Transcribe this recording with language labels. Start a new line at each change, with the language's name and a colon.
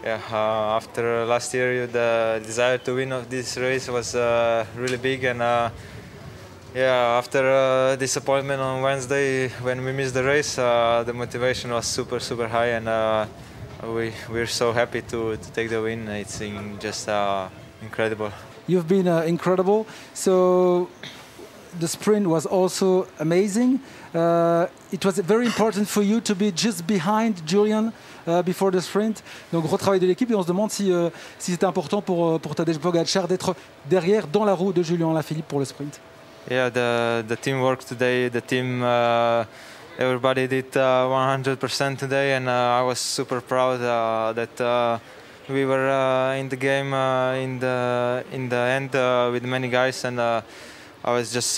English: After last year, the desire to win of this race was really big, and after disappointment on Wednesday when we missed the race, the motivation was super super high, and we're so happy to take the win. It's just incredible. You've been incredible. So the sprint was also amazing. It was very important for you to be just behind Julian before the sprint.
French: Donc gros travail de l'équipe, et on se demande si c'était important pour Tadej Pogacar d'être derrière dans la roue de Julian Alaphilippe pour le sprint.
English: Yeah, the team worked today. The team, everybody did 100% today, and I was super proud that we were in the game in the end with many guys, and I was just.